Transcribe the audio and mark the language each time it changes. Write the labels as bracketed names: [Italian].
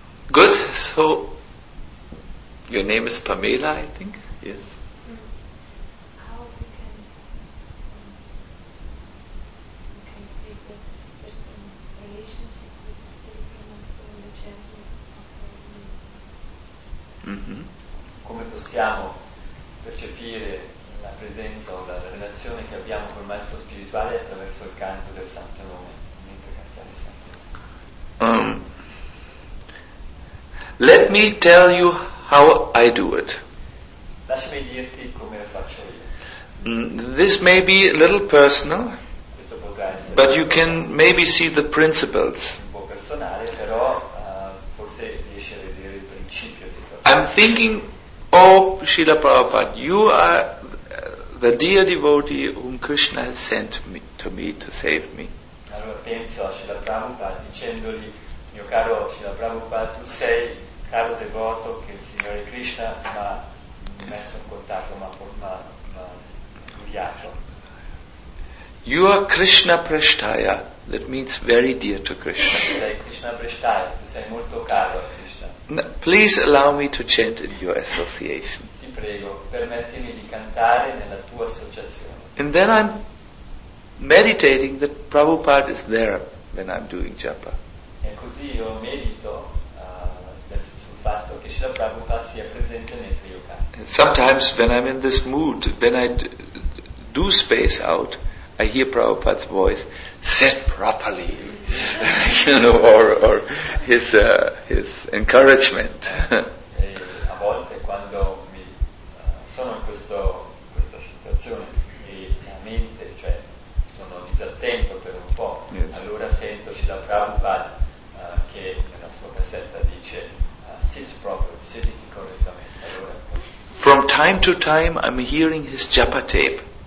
[English] Good, so your name is Pamela, I think, yes. Mm. How we can create a different relationship with the spirit and also in the champion of the name. [Italian] Come possiamo percepire la presenza o la relazione che abbiamo col maestro spirituale attraverso il canto del Santo Nome, mentre cantiamo il Santo Nome. [English] Let me tell you how I do it. [Italian] Lasciami dirti come lo faccio io. [English] This may be a little personal, [Italian] questo potrà essere, [English] but you can maybe see the principles. [Italian] Un po' personale, però forse riesci a vedere il principio di [English] I'm thinking Oh, Srila Prabhupada, you are the dear devotee whom Krishna has sent me, to me to save me. [Italian] Allora penso a Srila Prabhupada dicendogli, mio caro Srila Prabhupada, tu sei il caro devoto che il Signore Krishna mi ha messo in contatto, mi ha inviato. [English] You are Krishna Prashtaya, that means very dear to Krishna. [Italian] Sei Krishna Prashtaya, tu sei molto caro a Krishna. [English] Please allow me to chant in your association. [Italian] Ti prego, permettimi di cantare nella tua associazione. [English] And then I'm meditating that Prabhupada is there when I'm doing japa. [Italian] E così io medito sul fatto che Srila Prabhupada sia presente mentre io canto. [English] Sometimes when I'm in this mood, when I do space out, I hear Prabhupada's voice, said properly, you know, or his encouragement. [Italian] A volte quando mi sono in questa situazione e la mente, cioè sono disattento per un po', [English] yes, [Italian] allora sento Srila Prabhupada che nella sua cassetta dice, [English] sit properly, [Italian] sediti correttamente. Allora, [English] from time to time I'm hearing his japa tape.